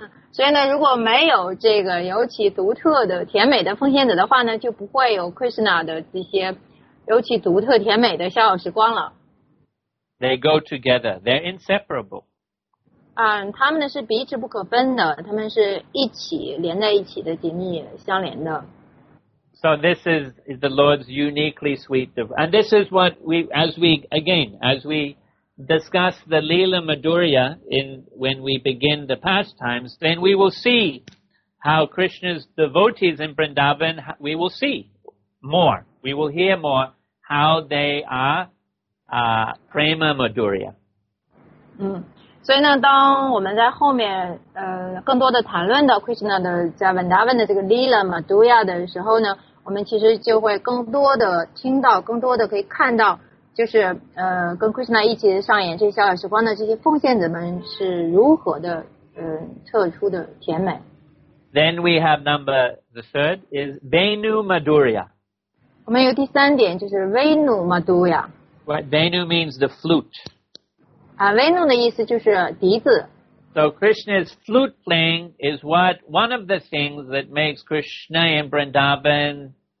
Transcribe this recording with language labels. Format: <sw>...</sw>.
<zh>所以呢，如果没有这个尤其独特的甜美的奉献者的话呢，就不会有 Krishna 的这些尤其独特甜美的逍遥时光了。</zh> <en>They go together. They're inseparable.</en> <zh>他们呢是彼此不可分的，他们是一起连在一起的，紧密相连的。</zh> <en>So this is the Lord's uniquely sweet, and this is what we discuss the Lila Madhurya in when we begin the pastimes, then we will see how Krishna's devotees in Vrindavan, we will see more, we will hear more how they are prema madhurya.</en> <zh>所以呢，当我们在后面更多的谈论到 Krishna 的在 Vrindavan 的这个 Lila Madhurya 的时候呢。我们其实就会更多的听到，更多的可以看到，就是跟 Krishna 一起上演这些逍遥时光的这些奉献者们是如何的特殊的甜美。</zh> <en>Then we have number the third is Venu Madhurya.</en> <zh>我们有第三点就是 Venu Madhurya.</zh> <en>What Venu means the flute.</en> <zh>Venu 的意思就是笛子。</zh> <en>So Krishna's flute playing is one of the things that makes Krishna in Vrindavan</en>